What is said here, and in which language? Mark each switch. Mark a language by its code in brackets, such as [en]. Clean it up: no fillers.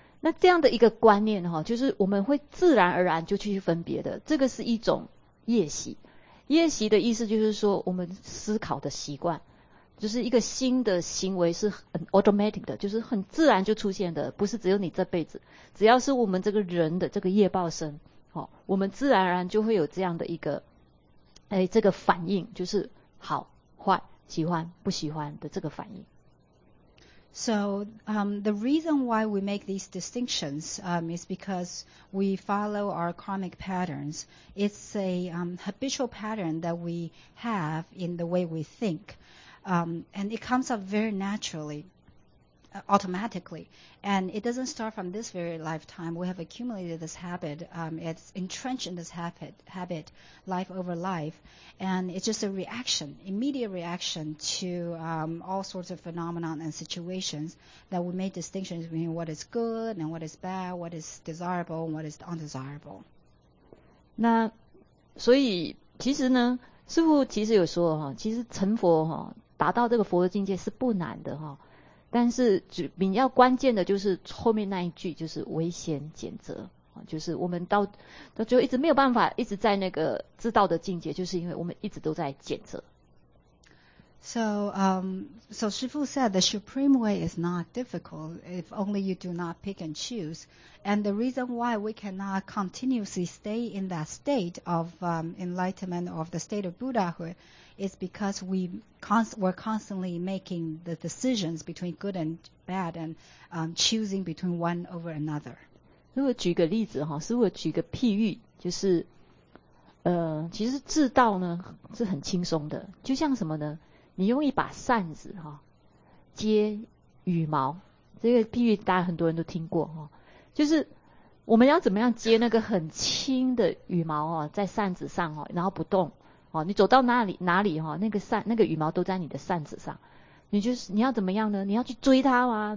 [zh] 那这样的一个观念哈，就是我们会自然而然就去分别的，这个是一种业习。夜习的意思就是说我们思考的习惯，就是一个新的行为是很 automatic 的，就是很自然就出现的，不是只有你这辈子，只要是我们这个人的这个业报身、哦、我们自然而然就会有这样的一个这个反应，就是好坏喜欢不喜欢的这个反应。 [en] So the reason why we make these distinctions is because we follow our karmic patterns. It's a habitual pattern that we have in the way we think. And it comes up very naturally, automatically. And it doesn't start from this very lifetime. We have accumulated this habit. It's entrenched in this habit, life over life. And it's just a reaction, immediate reaction to all sorts of phenomena and situations that we make distinctions between what is good and what is bad, what is desirable and what is undesirable. [zh] 那所以其实呢，师父其实有说哈，其实成佛哈，达到这个佛的境界是不难的哈。但是比较关键的就是后面那一句，就是唯嫌拣择，就是我们到最后一直没有办法一直在那个知道的境界，就是因为我们一直都在拣择。 [en] So 师父 said the supreme way is not difficult if only you do not pick and choose. And the reason why we cannot continuously stay in that state of enlightenment or of the state of Buddhahood is because we're constantly making the decisions between good and bad and choosing between one over another. [zh] 如果举个例子，师父举个譬喻，就是其实智道呢是很轻松的，就像什么呢？你用一把扇子哈、哦、接羽毛，这个譬喻大家很多人都听过哈、哦，就是我们要怎么样接那个很轻的羽毛哦，在扇子上哦，然后不动哦，你走到哪里哈、哦，那个羽毛都在你的扇子上，你就是你要怎么样呢？你要去追它吗？